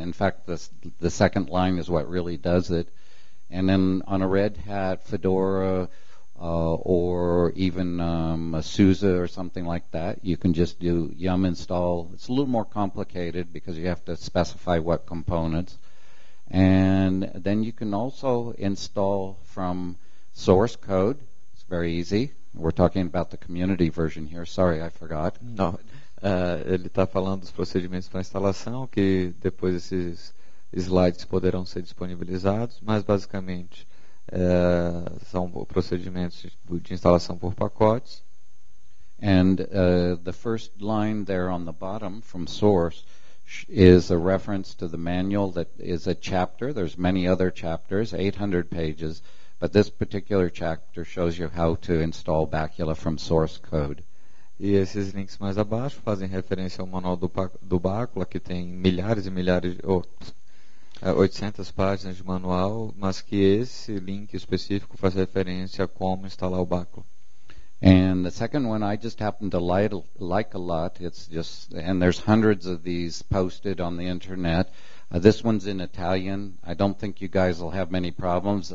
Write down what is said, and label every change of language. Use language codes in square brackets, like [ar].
[en] In fact, the second line is what really does it. And then on a Red Hat, Fedora, or even a SUSE or something like that, you can just do yum install. It's a little more complicated because you have to specify what components. And then you can also install from source code. It's very easy. We're talking about the community version here. Sorry, I forgot. [pt] Não. Ele está falando dos procedimentos para instalação, que depois esses slides poderão ser disponibilizados, mas basicamente são procedimentos de instalação por pacotes. [en] And the first line there on the bottom from source is a reference to the manual that is a chapter. There's many other chapters, 800 pages. But this particular chapter shows you how to install Bacula from source code. [pt] E esses links mais abaixo fazem referência ao manual do Bacula, que tem milhares e milhares, 800 páginas de manual, mas que esse link específico faz referência a como instalar o Bacula. [en] And the second one I just happen to like a lot. It's just, and there's hundreds of these posted on the internet. This one's in Italian. I don't think you guys will have many problems.